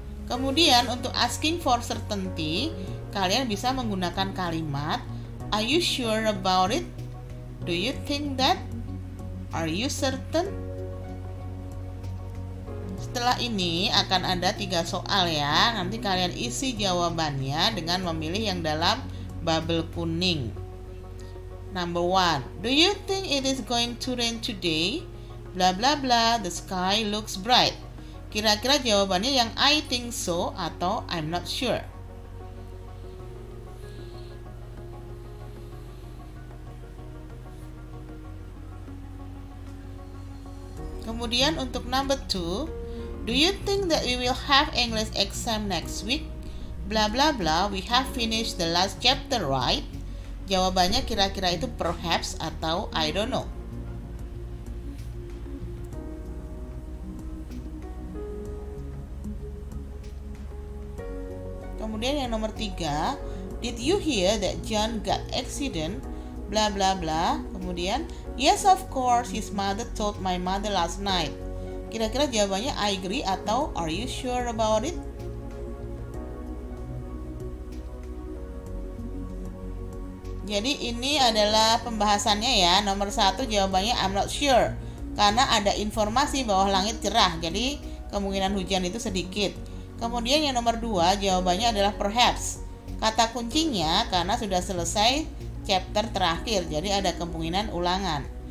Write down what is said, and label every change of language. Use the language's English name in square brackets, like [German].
[Indonesian] Kemudian untuk [English] asking for certainty, [Indonesian] kalian bisa menggunakan kalimat [English] Are you sure about it? Do you think that? Are you certain? [Indonesian] Setelah ini akan ada 3 soal ya. Nanti kalian isi jawabannya dengan memilih yang dalam bubble kuning. [English] Number 1, do you think it is going to rain today? Blah blah blah, the sky looks bright. [Indonesian] Kira-kira jawabannya yang [English] I think so atau I'm not sure. [Indonesian] Kemudian untuk [English] number 2, do you think that we will have English exam next week? Blah blah blah, we have finished the last chapter, right? [Indonesian] Jawabannya kira-kira itu [English] perhaps atau I don't know. [Indonesian] Kemudian yang nomor 3, [English] did you hear that John got accident? Blah blah blah. Kemudian, yes of course, his mother told my mother last night. [Indonesian] Kira-kira jawabannya [English] I agree atau are you sure about it? [Indonesian] Jadi ini adalah pembahasannya ya. Nomor 1 jawabannya [English] I'm not sure, [Indonesian] karena ada informasi bahwa langit cerah, jadi kemungkinan hujan itu sedikit. Kemudian yang nomor 2 jawabannya adalah perhaps. Kata kuncinya karena sudah selesai chapter terakhir, jadi ada kemungkinan ulangan.